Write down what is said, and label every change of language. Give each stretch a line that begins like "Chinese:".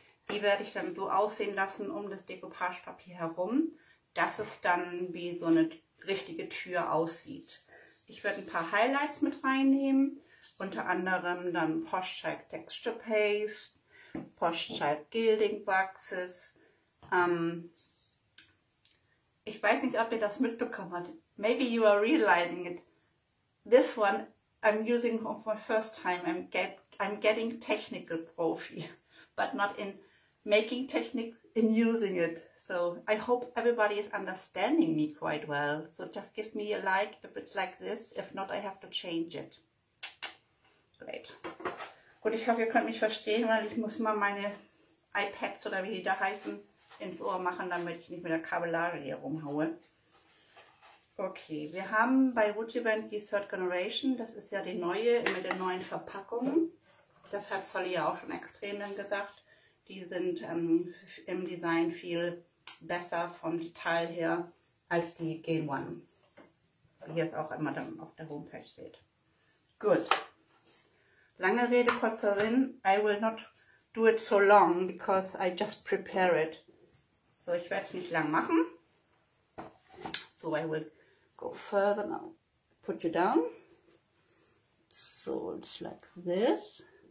German: Die werde ich dann so aussehen lassen um das Decoupage-Papier herum, dass es dann wie so eine richtige Tür aussieht. Ich werde ein paar Highlights mit reinnehmen. Unter anderem dann Posh-Child Texture Paste, Posh-Child Gilding Waxes. Ich weiß nicht, ob ihr das mitbekommen habt.
English: Maybe you are realizing it. This one I'm using for my first time. I'm getting technical profi, but not in making techniques, in using it. So I hope everybody is understanding me quite well. So just give me a like if it's like this. If not, I have to change it. Great.
German: Gut, ich hoffe, ihr könnt mich verstehen, weil ich muss mal meine iPads oder wie die da heißen ins Ohr machen, damit ich nicht mit der Kabellage hier rumhaue. Okay, wir haben bei Wuchiband die Third Generation, das ist ja die neue mit den neuen Verpackungen. Das hat Solly ja auch schon extrem dann gesagt. Die sind im Design viel besser vom Detail her als die Game One. Wie ihr es auch immer dann auf der Homepage seht. Gut. Lange Rede, kurzer Sinn.
English: I will not do it so long, because I just prepare it. So,
German: ich werde es nicht lang machen.
English: So, I will go further now. Put you down. So, it's like this.